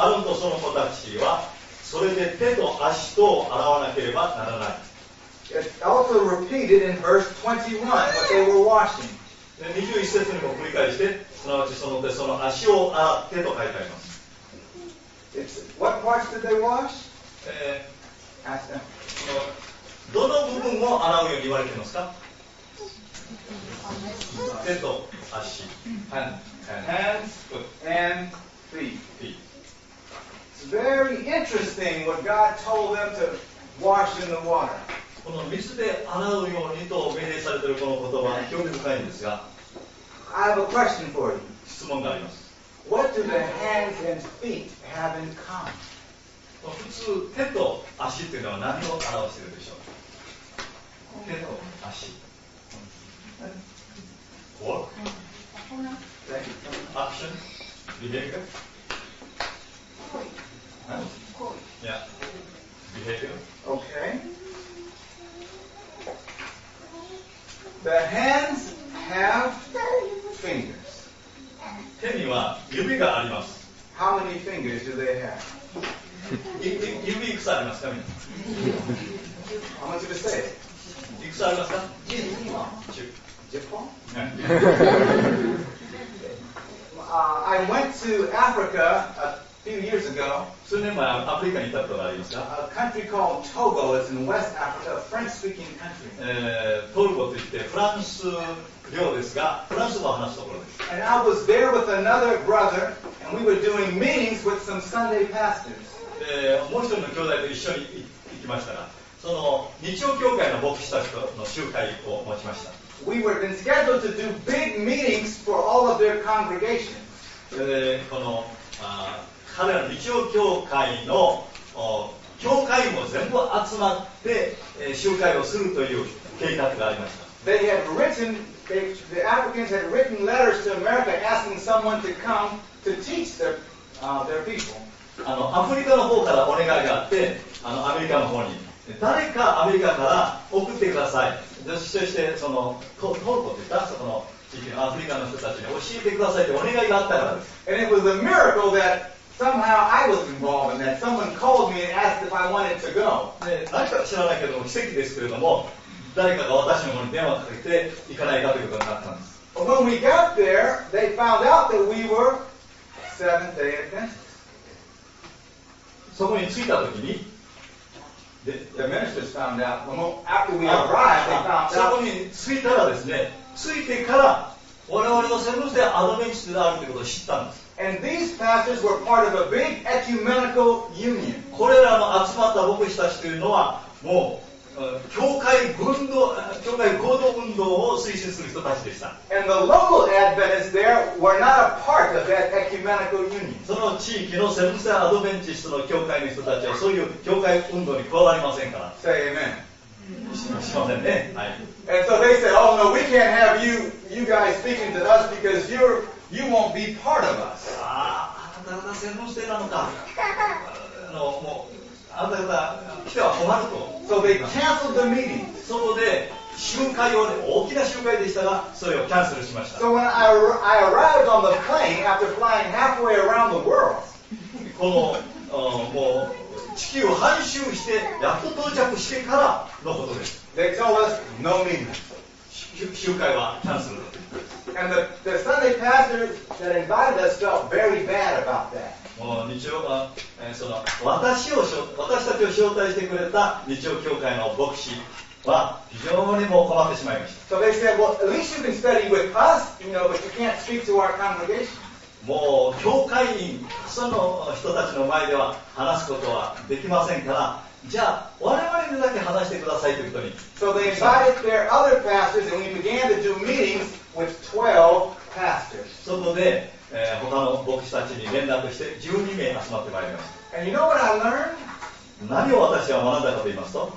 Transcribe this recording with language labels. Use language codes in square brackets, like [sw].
[ja] アロンとその子たちはそれで手と足とを洗わなければならない。 [en] It's also repeated in verse 21 what they were washing. [ja] 21節にも繰り返して、すなわちその手、その足を洗ってと書いてあります。 [en] What parts did they wash? Ask them. [ja] どの部分を洗うように言われていますか？手と足。 [en] Hands, hands. And feet. It's very interesting what God told them to wash in the water. [ja] この水で洗うようにと命令されているこの言葉、興味深いんですが、 [en] I have a question for you. [ja] 質問があります。 [en] What do the hands and feet have in common? [ja] 普通、手と足というのは何を表しているでしょう？手と足。 [en] Work. Action. Behavior. [ja] 行為。 [en] Yeah. Behavior. Okay. The hands have fingers. [ja] 手には指があります。 [en] How many fingers do they have? [ja] 指いくつありますか？みんな。 [en] How much do you say? [ja] いくつありますか？ 10本。 [en] I went to Africa a few years ago. [ja] 数年前アフリカに行ったことがありますか？ [en] A country called Togo is in West Africa, a French-speaking country. [ja] トルコといってフランス。量ですが、フランス語を話すところです。 [en] And I was there with another brother, and we were doing meetings with some Sunday pastors. [ja] もう一人の兄弟と一緒に行きましたが、その日曜教会の牧師たちとの集会を持ちました。 [en] We were then scheduled to do big meetings for all of their congregations. [ja] この彼らの日曜教会の教会も全部集まって、集会をするという計画がありました。 [en] They had written, the Africans had written letters to America asking someone to come to teach their people. [ja] アフリカの方からお願いがあって、アメリカの方に、誰かアメリカから送ってください。そして、トルコといったその地域のアフリカの人たちに教えてくださいってお願いがあったからです。 [en] And it was a miracle that somehow I was involved in that. Someone called me and asked if I wanted to go. [ja] 何か知らないけども、奇跡ですけれども、誰かが私の方に電話をかけて行かないかということになったんです。 [en] Well, when we got there, they found out that we were Seventh Day Adventists. [ja] そこに着いたときに、 [en] the ministers found out. Well, after we arrived, they found out. [ja] そこに着いたらですね、着いてから我々の専門性アドベンチスであるということを知ったんです。 [en] And these pastors were part of a big ecumenical union. [ja] これらの集まった牧師たちというのはもう教会合同運動を推進する人たちでした。 [en] And the local Adventists there were not a part of that ecumenical union. [ja] その地域のセブンス・アドベンチストの教会の人たちはそういう教会運動に加わりませんから。 [en] Say amen. [ja] しませんね。はい。 [en] And so they said, oh no, we can't have you guys speaking to us because you won't be part of us. [ja] あなた方セブンス・デーなのか。もう、あなた方来ては困ると。 [en] So they canceled the meeting. [ja] そこで集会を、ね、大きな集会でしたが、それをキャンセルしました。 [en] So when I arrived on the plane after flying halfway around the world. [ja] この、もう地球を半周してやっと到着してからのことです。 [en] They told us no meeting. [ja] 集会はキャンセル。 [en] And the Sunday pastor that invited us felt very bad about that. [ja] もう日曜は、その私たちを招待してくれた日曜教会の牧師は非常にもう困ってしまいました。 [en] So they said, well, at least you can study with us, you know, but you can't speak to our congregation. [ja] もう教会員その人たちの前では話すことはできませんから、じゃあ我々でだけ話してくださいということに。 [en] So they invited their other pastors, and we began to do meetings with 12 pastors. [ja] そこで、他の牧師たちに連絡して12名集まってまいりました。 [en] And you know what I learned? [ja] 何を私は学んだかと言いますと、